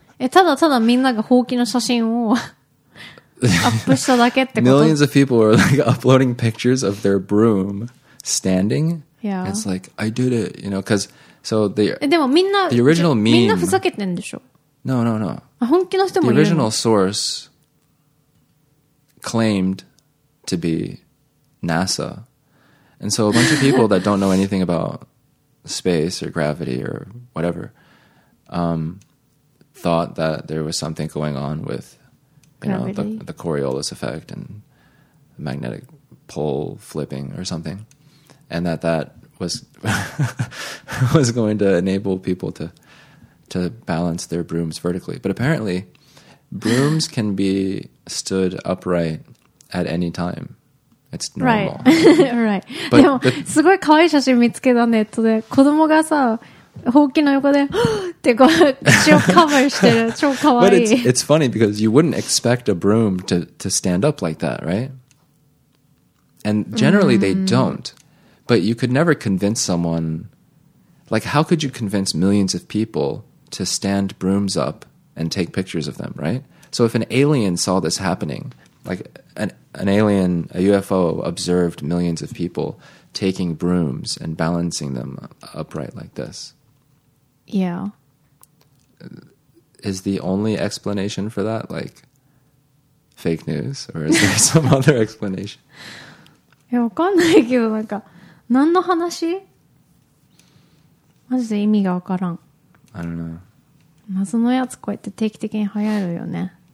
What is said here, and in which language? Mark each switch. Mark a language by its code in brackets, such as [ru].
[ja] ただただみんながほうきの写真をアップしただけってこと。 [en] Millions of people were like uploading pictures of their broom standing. Yeah. It's like I did it, you know, because so the. [ja] でもみんな [en] the original meme. [ja] みんなふざけてんでしょ。 [en] No, no, no. [ja] 本気の人もいるの。 [en] The original source claimed to be NASA, and so a bunch of people that don't know anything about space or gravity or whatever. Thought that there was something going on with, you、 Gravity. know, the Coriolis effect and magnetic pole flipping or something, and that was was going to enable people to balance their brooms vertically. But apparently, brooms can be stood upright at any time. It's normal. Right. right. But [ja] でもすごい可愛い写真見つけたネットで子供がさ。ほうきの横でってこう口をカバーしてる超かわいい。 [en] But it's funny because you wouldn't expect a broom to stand up like that, right? And generally they don't. But you could never convince someone. Like, how could you convince millions of people to stand brooms up and take pictures of them, right? So if an alien saw this happening, like an alien, a UFO observed millions of people taking brooms and balancing them upright like this. Yeah. Is the only explanation for that like fake news or is there some other explanation? [ja] いや、わかんないけど、なんか、何の話?マジで意味がわからん。 [en] I don't know. [ja] 謎のやつこうやって定期的に流行るよね。